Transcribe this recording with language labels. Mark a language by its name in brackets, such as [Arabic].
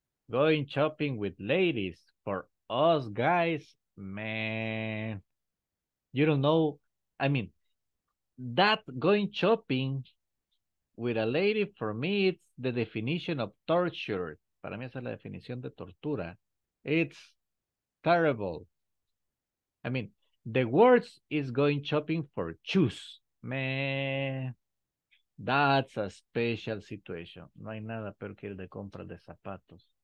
[English] Going shopping with ladies for us guys, man. You don't know, I mean, that going shopping with a lady, for me, it's the definition of torture. [Spanish] Para mí esa es la definición de tortura. [English] It's terrible. I mean, the worst is going shopping for shoes. Man, that's a special situation. [Spanish] No hay nada peor que ir de compra de zapatos.